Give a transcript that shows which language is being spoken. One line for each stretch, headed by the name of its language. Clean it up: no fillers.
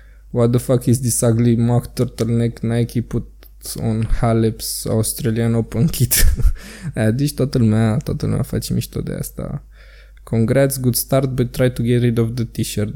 English: What the fuck is this ugly mock turtleneck Nike put on Halep's Australian Open kit?
Romanian: Deci toată lumea face mișto de asta.
English: Congrats, good start, but try to get rid of the t-shirt.